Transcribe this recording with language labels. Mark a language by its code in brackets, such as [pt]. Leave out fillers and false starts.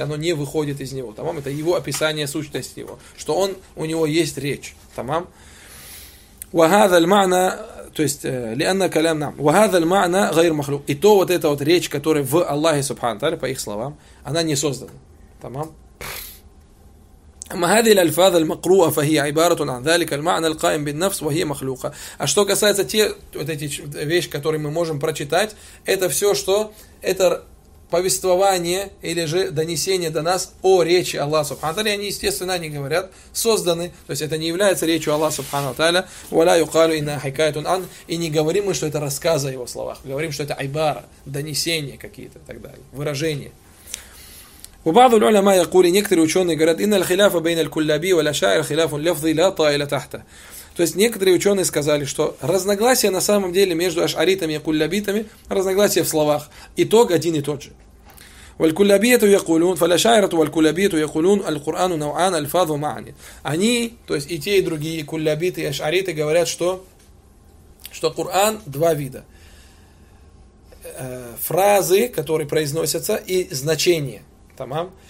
[ru] Оно не выходит из него. Тамам? Это его описание сущности его. Что он, у него есть речь. Тамам? То есть, [ar] лианна калям нам. Вахаза ль-маъна гайр махлук. [ru] И то вот эта вот речь, которая в Аллахе субхана тааля, по их словам, она не создана. Тамам? [ar] أما هذه الألفاظ المقروءة فهي عبارة عن ذلك المعنى القائم بالنفس وهي مخلوقة. [ru] А что касается те вот эти вещи, которые мы можем прочитать, это все что это повествование или же донесение до нас о речи Аллаха Субхана Тааля. Они естественно не говорят созданы, то есть это не является речью Аллаха Субхана Тааля. [ar] ولا يقال إن حكايت عن [ru] и не говорим мы, что это рассказ о его словах, говорим, что это айбара, донесение какие-то и так далее, выражение. [ar] وبعض العلماء يقول [ru] некоторые ученые говорят [ar] إن الخلاف بين الكلابي والأشاعر خلاف لفظي لا طائل تحته. [ru] То есть некоторые ученые сказали, что разногласие на самом деле между ашаритами и куллабитами разногласие в словах. Итог один и тот же. [ar] والكلابية يقولون فالأشاعرة والكلابية يقولون القرآن نوعان ألفاظ ومعاني. [ru] Они, то есть и те и другие куллабиты и ашариты говорят, что Коран два вида: фразы, которые произносятся, и значение. Тамам.